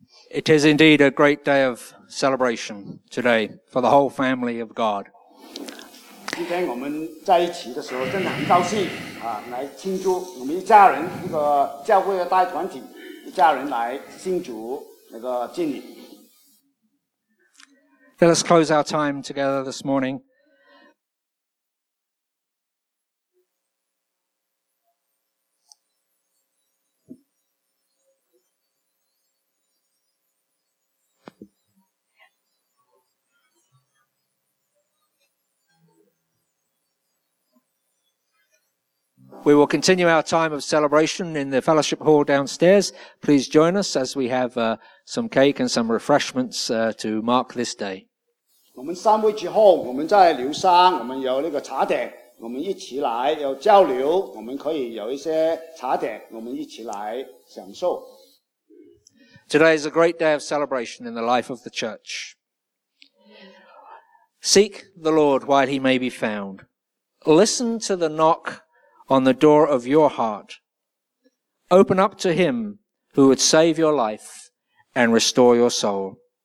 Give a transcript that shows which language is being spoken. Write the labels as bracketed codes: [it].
[en] It is indeed a great day of celebration today for the whole family of God. [zh] 今天我们在一起的时候真的很高兴啊，来庆祝我们一家人，一个教会的大团体，家人来信主那个敬礼。 [en] Let us close our time together this morning. We will continue our time of celebration in the fellowship hall downstairs. Please join us as we have some cake and some refreshments to mark this day. [zh] 我们散会之后，我们在留山，我们有那个茶点，我们一起来有交流，我们可以有一些茶点，我们一起来享受。 [en] Today is a great day of celebration in the life of the church. Seek the Lord while he may be found. Listen to the knock on the door of your heart. Open up to him who would save your life and restore your soul.